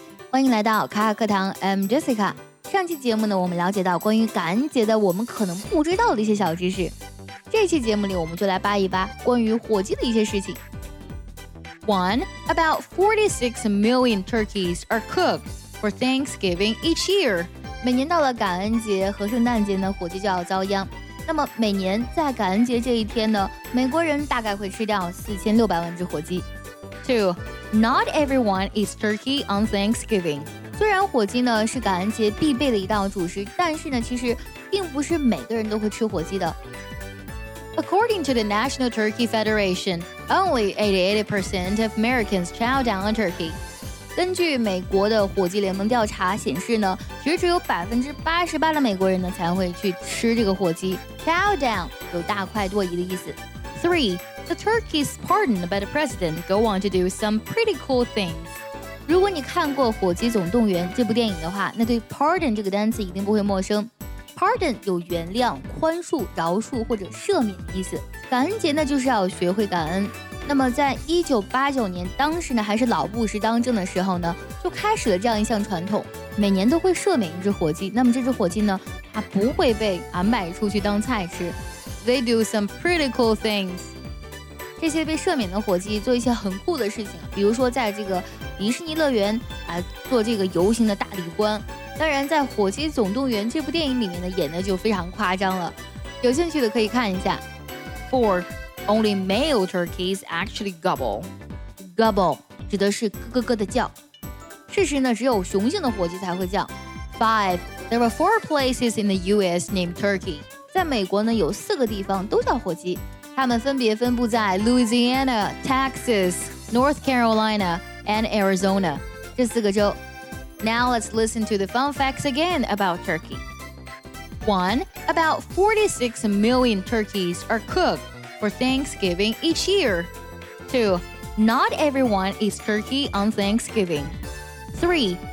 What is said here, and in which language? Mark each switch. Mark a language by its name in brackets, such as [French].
[Chinese] 欢迎来到卡卡课堂 [English] I'm Jessica。 [Chinese] 上期节目呢，我们了解到关于感恩节的我们可能不知道的一些小知识，这期节目里我们就来扒一扒关于火鸡的一些事情。 1. [English] About 46 million turkeys are cooked for Thanksgiving each year. [Chinese] 每年到了感恩节和圣诞节呢，火鸡就要遭殃。那么每年在感恩节这一天呢，美国人大概会吃掉4600万只火鸡。 2. [English] Not everyone eats turkey on Thanksgiving. [Chinese] 虽然火鸡呢是感恩节必备的一道主食，但是呢其实并不是每个人都会吃火鸡的。 [English] According to the National Turkey Federation, only 88% of Americans chow down on turkey. [Chinese] 根据美国的火鸡联盟调查显示呢，其实只有88%的美国人呢才会去吃这个火鸡。 Chow down 有大快朵颐的意思。 3. [English] The turkeys pardoned by the president go on to do some pretty cool things. [Chinese] 如果你看过《火鸡总动员》这部电影的话，那对 pardon 这个单词一定不会陌生。 Pardon 有原谅、宽恕、饶恕或者赦免的意思。感恩节呢，就是要学会感恩。那么在1989年，当时呢还是老布什当政的时候呢，就开始了这样一项传统，每年都会赦免一只火鸡。那么这只火鸡呢，它不会被卖出去当菜吃。 [English] They do some pretty cool things. [Chinese] 这些被赦免的火鸡做一些很酷的事情，比如说在这个迪士尼乐园做这个游行的大礼官。当然在《火鸡总动员》这部电影里面呢，演的就非常夸张了，有兴趣的可以看一下。 4. [English] Only male turkeys actually gobble. [Chinese] Gobble 指的是咯咯咯的叫，事实呢只有雄性的火鸡才会叫。 5. [English] There are 4 places in the US named turkey. [Chinese] 在美国呢有4个地方都叫火鸡，它们分别分布在 Louisiana, Texas, North Carolina and Arizona 这四个州。 [English] Now let's listen to the fun facts again about turkey. 1. About 46 million turkeys are cooked for Thanksgiving each year. 2. Not everyone eats turkey on Thanksgiving. 3.